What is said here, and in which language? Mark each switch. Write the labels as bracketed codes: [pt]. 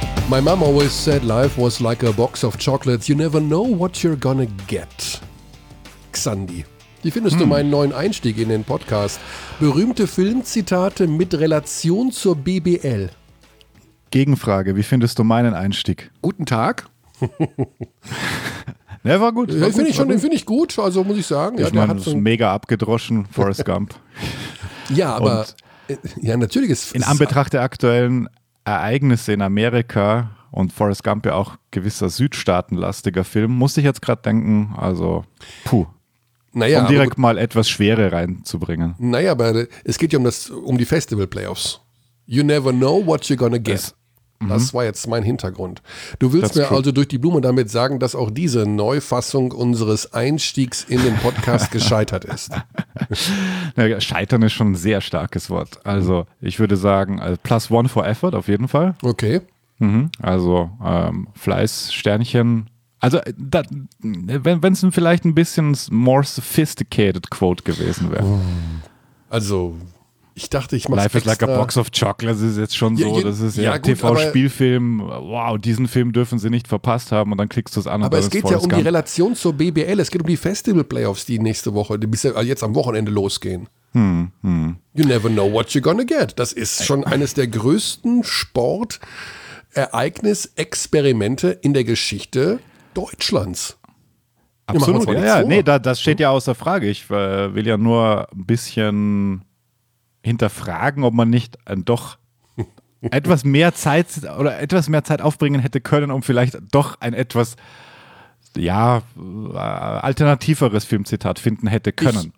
[en] My mom always said life was like a box of chocolates. You never know what you're gonna get. [de] Xandi, wie findest du meinen neuen Einstieg in den Podcast? Berühmte Filmzitate mit Relation zur BBL. Gegenfrage, wie findest du meinen Einstieg? Guten Tag. Ne, war gut. Den finde ich, find ich gut, also muss ich sagen. Ich meine, das ist mega abgedroschen, Forrest Gump. Ja, aber ja, natürlich ist in Anbetracht der aktuellen Ereignisse in Amerika und Forrest Gump ja auch gewisser südstaatenlastiger Film, musste ich jetzt gerade denken, also puh. Naja, um direkt mal etwas Schwere reinzubringen. Naja, aber es geht ja um das, um die Festival-Playoffs. [en] You never know what you're gonna get. [de] Das war jetzt mein Hintergrund. Du willst mir also durch die Blume damit sagen, dass auch diese Neufassung unseres Einstiegs in den Podcast gescheitert ist. Ja, scheitern ist schon ein sehr starkes Wort. Also ich würde sagen, [en] plus one for effort [de] auf jeden Fall. Okay. Also Fleiß, Sternchen. Also da, wenn es vielleicht ein bisschen [en] more sophisticated quote [de] gewesen wäre. Also ich dachte, ich mache es extra. [en] Life is like a box of chocolates [de] ist jetzt schon so, das ist ja gut, TV-Spielfilm, wow, diesen Film dürfen sie nicht verpasst haben und dann klickst du es an. Aber es geht ja um die Relation zur BBL, es geht um die Festival-Playoffs, die nächste Woche, die bis jetzt am Wochenende losgehen. [en] You never know what you're gonna get. [de] Das ist schon eines der größten Sportereignis-Experimente in der Geschichte Deutschlands. Absolut, ja, nee, das steht ja außer Frage. Ich will ja nur ein bisschen hinterfragen, ob man nicht doch etwas mehr Zeit oder etwas mehr Zeit aufbringen hätte können, um vielleicht doch ein etwas alternativeres Filmzitat finden hätte können.